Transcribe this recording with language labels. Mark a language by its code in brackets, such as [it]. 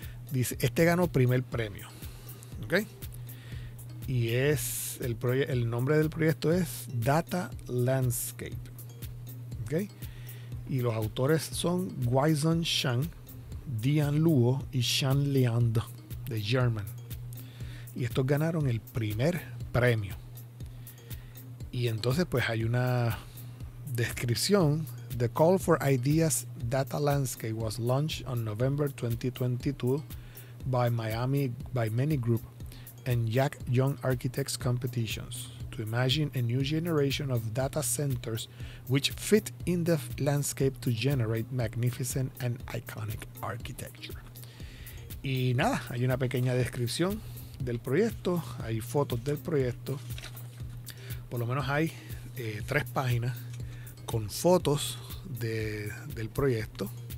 [es] Dice, este ganó primer premio, ok. Y es el nombre del proyecto es Data Landscape. ¿Okay? Y los autores son Guizhen Shang, Dian Luo y Shan Liang de German. Y estos ganaron el primer premio. Y entonces pues hay una descripción. [en] The Call for Ideas Data Landscape was launched on November 2022 by Many Group and Yak Young Architects Competitions to imagine a new generation of data centers which fit in the landscape to generate magnificent and iconic architecture. [es] Y nada, hay una pequeña descripción del proyecto, hay fotos del proyecto, por lo menos hay 3 páginas con fotos del proyecto.